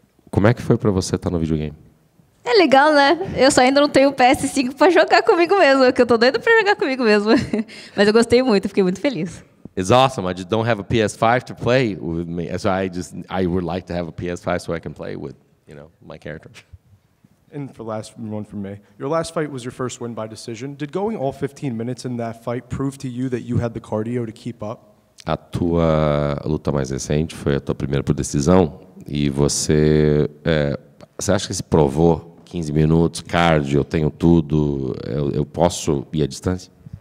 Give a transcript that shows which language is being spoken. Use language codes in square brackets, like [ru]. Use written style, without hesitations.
[pt] Como é que foi para você estar no videogame? É legal, né? Eu só ainda não tenho PS5 para jogar comigo mesmo, que eu tô doida para jogar comigo mesmo. Mas eu gostei muito, fiquei muito feliz. [en] It's awesome. I just don't have a PS5 to play with me. So I would like to have a PS5 so I can play with, you know, my character. And for the last one from me, your last fight was your first win by decision. Did going all 15 minutes in that fight prove to you that you had the cardio to keep up? [pt] A tua luta mais recente foi a tua primeira por decisão. E você acha que se provou 15 minutos, cardio, eu tenho tudo, eu posso ir à distância?